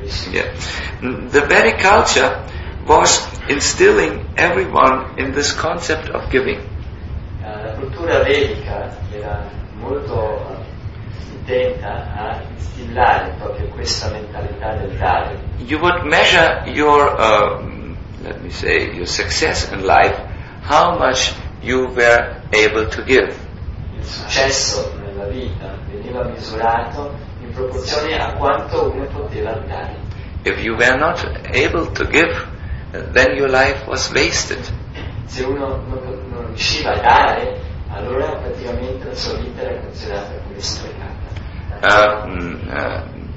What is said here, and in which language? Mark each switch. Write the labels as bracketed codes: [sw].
[en] Yeah, the Vedic culture was instilling everyone in this concept of giving. [it] La cultura vedica era molto intenta a instillare proprio questa mentalità del dare. [en] You would measure your, let me say, your success in life, how much you were able to give. [it] Il successo nella vita veniva misurato in proporzione a quanto uno poteva dare. [en] If you were not able to give, then your life was wasted. [it] Se uno non riusciva a dare, allora praticamente la sua vita era considerata come sprecata.